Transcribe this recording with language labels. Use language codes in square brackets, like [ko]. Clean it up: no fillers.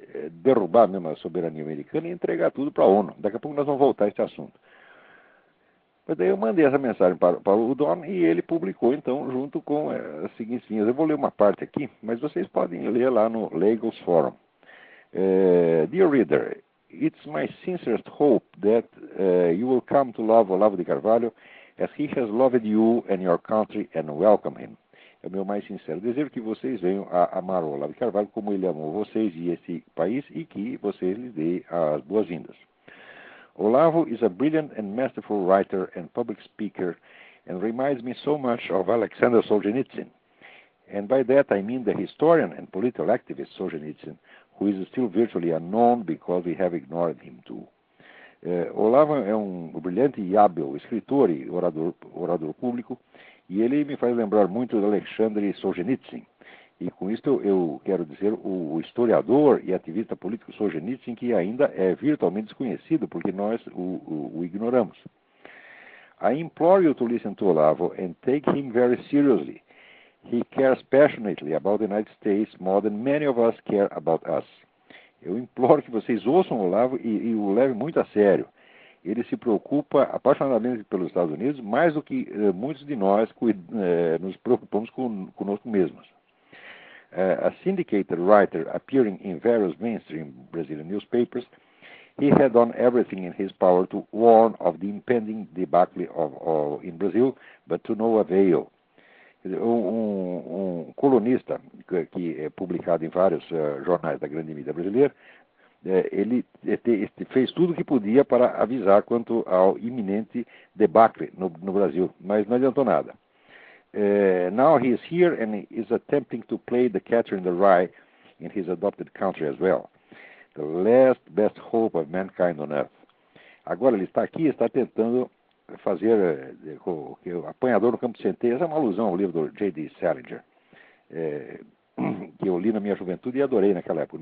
[pt] Derrubar mesmo a soberania americana e entregar tudo para a ONU. Daqui a pouco nós vamos voltar a esse assunto. Mas daí eu mandei essa mensagem para o Don e ele publicou, então, junto com as seguintes linhas. Eu vou ler uma parte aqui, mas vocês podem ler lá no Lagos Forum. [en] Dear reader, it's my sincerest hope that you will come to love Olavo de Carvalho as he has loved you and your country and welcome him. [pt] É o meu mais sincero desejo que vocês venham a amar o Olavo Carvalho como ele amou vocês e esse país e que vocês lhe deem as boas-vindas. [en] Olavo is a brilliant and masterful writer and public speaker and reminds me so much of Alexander Solzhenitsyn. And by that I mean the historian and political activist Solzhenitsyn, who is still virtually unknown because we have ignored him too. [pt] Olavo é um brilhante e hábil escritor e orador público. E ele me faz lembrar muito de Alexandre Solzhenitsyn. E com isso eu quero dizer o historiador e ativista político Solzhenitsyn, que ainda é virtualmente desconhecido, porque nós o ignoramos. [en] I implore you to listen to Olavo and take him very seriously. He cares passionately about the United States more than many of us care about us. [pt] Eu imploro que vocês ouçam o Olavo e o levem muito a sério. Ele se preocupa apaixonadamente pelos Estados Unidos, mais do que muitos de nós nos preocupamos conosco mesmos. [en] A syndicated writer appearing in various mainstream Brazilian newspapers, he had done everything in his power to warn of the impending debacle in Brazil, but to no avail. [pt] Um colunista que é publicado em vários jornais da grande mídia brasileira, ele fez tudo o que podia para avisar quanto ao iminente debacle no Brasil, mas não adiantou nada. [en] Now he is here and he is attempting to play the catcher in the rye in his adopted country as well, the last best hope of mankind on earth. [pt] Agora ele está aqui e está tentando fazer com que o apanhador no campo de centeio. Essa é uma alusão ao livro do J.D. Salinger, que eu li na minha juventude e adorei naquela época.